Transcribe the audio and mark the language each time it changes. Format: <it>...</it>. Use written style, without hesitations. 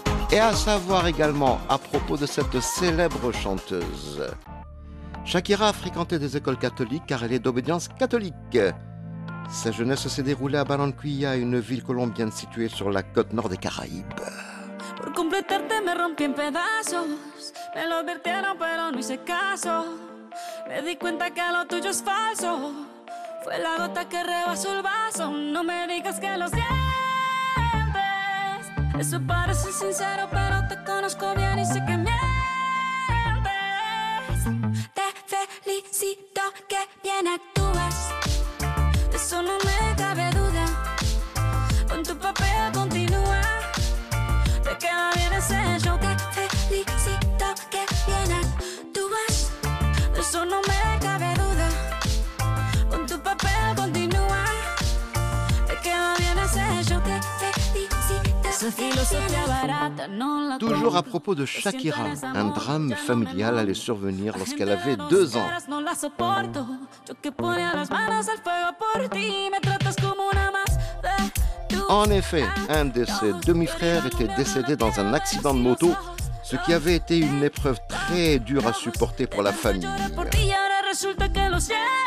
<fr>Et à savoir également à propos de cette célèbre chanteuse, Shakira a fréquenté des écoles catholiques car elle est d'obédience catholique. Sa jeunesse s'est déroulée à Barranquilla, une ville colombienne située sur la côte nord des Caraïbes.</fr> <es>Pour completarte, me rompí en pedazos. Me lo advirtieron, pero no hice caso. Me di cuenta que lo tuyo es falso. Fue la gota que rebasó el vaso. No me digas que lo sientes. Eso parece sincero, pero te conozco bien y sé que mientes. Te felicito que bien actúas. No me cabe duda. Con tu papel continúa. Te queda bien ese show. Te felicito que bien actúas. De eso no me cabe duda. Con tu papel continúa. Te queda bien ese show. Te felicito. Esa filosofía barata no la.</es> <fr>Toujours à propos de Shakira, un drame familial allait survenir lorsqu'elle avait 2 ans.</fr> <es>No la soporto. Yo que ponía las manos al fuego por ti. Me tratas como una más.</es> <fr>En effet, un de ses demi-frères était décédé dans un accident de moto, ce qui avait été une épreuve très dure à supporter pour la famille.</fr> <es>Por ti y ahora resulta que lo sientes.</es>